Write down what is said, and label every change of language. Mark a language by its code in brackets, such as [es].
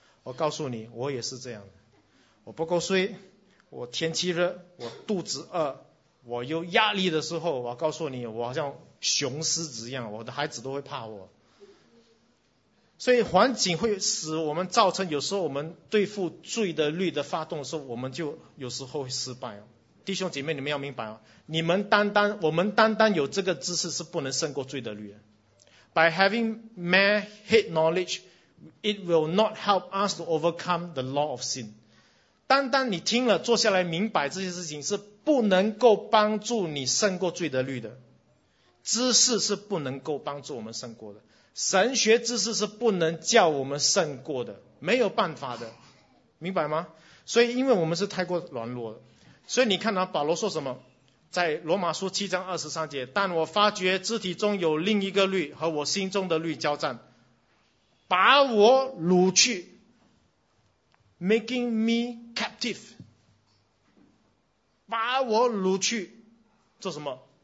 [zh] 我告诉你，我也是这样的，我不够睡，我天气热，我肚子饿，我有压力的时候，我告诉你，我好像熊狮子一样，我的孩子都会怕我。所以环境会使我们造成，有时候我们对付罪的律的发动的时候，我们就有时候会失败。弟兄姐妹，你们要明白，你们单单有这个知识是不能胜过罪的律的。 [en] By having mere head knowledge, it will not help us to overcome the law of sin. [zh] 单单你听了坐下来明白这些事情，是不能够帮助你胜过罪的律的。知识是不能够帮助我们胜过的，神学知识是不能叫我们胜过的，没有办法的，明白吗？所以因为我们是太过软弱的，所以你看到保罗说什么，在罗马书七章二十三节，但我发觉肢体中有另一个律和我心中的律交战，把我掳去， [en] making me captive， [zh] 把我掳去做什么？